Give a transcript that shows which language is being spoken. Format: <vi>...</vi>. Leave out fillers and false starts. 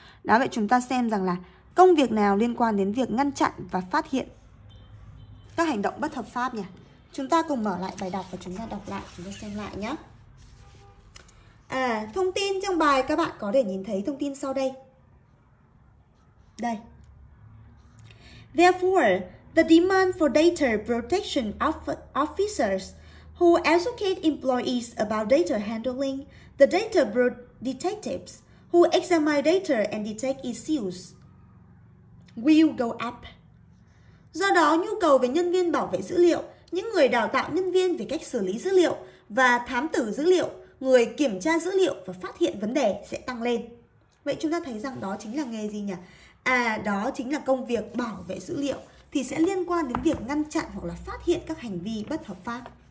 <vi>Đó, vậy chúng ta xem rằng là công việc nào liên quan đến việc ngăn chặn và phát hiện các hành động bất hợp pháp nhỉ? Chúng ta cùng mở lại bài đọc và chúng ta đọc lại, chúng ta xem lại nhé. Thông tin trong bài các bạn có thể nhìn thấy thông tin sau đây. Đây.</vi> <en>Therefore, the demand for data protection officers who educate employees about data handling, the data detectives who examine data and detect issues, will go up.</en> <vi>Do đó, nhu cầu về nhân viên bảo vệ dữ liệu, những người đào tạo nhân viên về cách xử lý dữ liệu và thám tử dữ liệu, người kiểm tra dữ liệu và phát hiện vấn đề sẽ tăng lên. Vậy chúng ta thấy rằng đó chính là nghề gì nhỉ? Đó chính là công việc bảo vệ dữ liệu, thì sẽ liên quan đến việc ngăn chặn hoặc là phát hiện các hành vi bất hợp pháp.</vi>